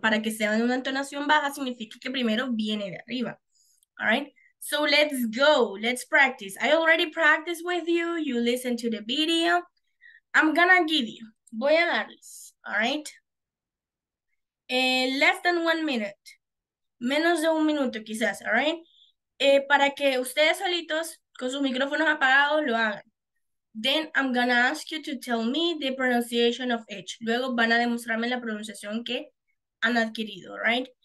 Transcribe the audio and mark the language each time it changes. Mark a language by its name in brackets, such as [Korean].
[Spanish] Para que sea una entonación baja, significa que primero viene de arriba. [English] All right? So let's go, let's practice. I already practiced with you, you listen to the video. I'm gonna give you, [Spanish] voy a darles, [English] all right? Less than 1 minute, [Spanish] menos de un minuto quizás, [English] all right? [Spanish] Para que ustedes solitos, con sus micrófonos apagados, lo hagan. [English] Then I'm gonna ask you to tell me the pronunciation of each. [Spanish] Luego van a demostrarme la pronunciación que han adquirido, all right?